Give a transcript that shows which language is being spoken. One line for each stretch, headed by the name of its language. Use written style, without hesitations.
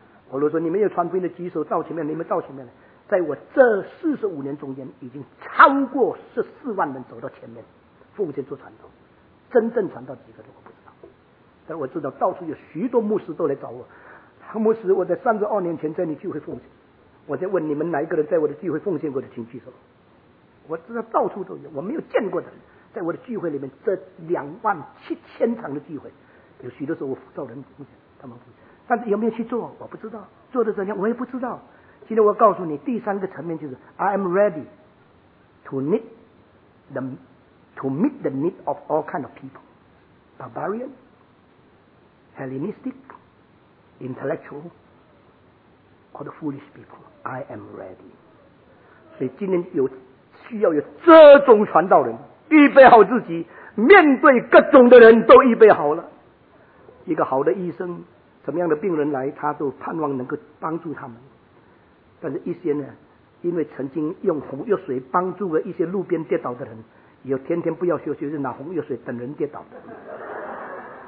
Chinese: 我如果说你们有传福音的举手到前面，你们到前面，在我这45年中间已经超过14万人走到前面奉献做传道，真正传道几个人我不知道，但我知道到处有许多牧师都来找我，唐牧师，我在32年前在你聚会奉献，我在问你们哪一个人在我的聚会奉献过的请举手。我知道到处都有，我没有见过的人在我的聚会里面，这27000场的聚会，有许多时候我辅导人奉献，他们奉献，但是有没有去做我不知道，做的怎样我也不知道。今天我告诉你第三个层面，就是
English: I am ready to meet the need of all kind of people, barbarian, Hellenistic, intellectual, or the foolish people. I am ready.
Chinese: 所以今天有需要有这种传道人，预备好自己，面对各种的人都预备好了。一个好的医生，什么样的病人来，他都盼望能够帮助他们。但是一些呢，因为曾经用红药水帮助了一些路边跌倒的人，有天天不要休息，就拿红药水等人跌倒的。